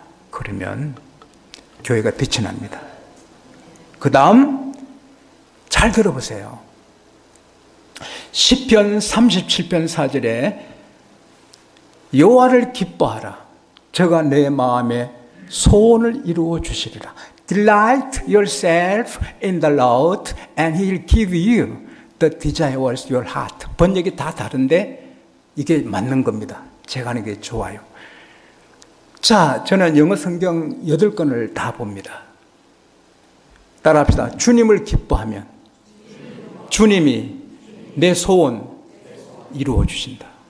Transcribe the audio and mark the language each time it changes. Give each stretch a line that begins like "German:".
Korean: 그러면 교회가 빛이 납니다. 그 다음 잘 들어보세요. 시편 37편 4절에 여호와를 기뻐하라. 저가 내 마음에 소원을 이루어 주시리라.
English: Delight yourself in the Lord and He'll give you the desires of your heart.
Korean: 번역이 다 다른데 이게 맞는 겁니다. 제가 하는 게 좋아요. 자, 저는 영어 성경 8권을 다 봅니다. 따라합시다. 주님을 기뻐하면 주님이 내 소원 이루어 주신다.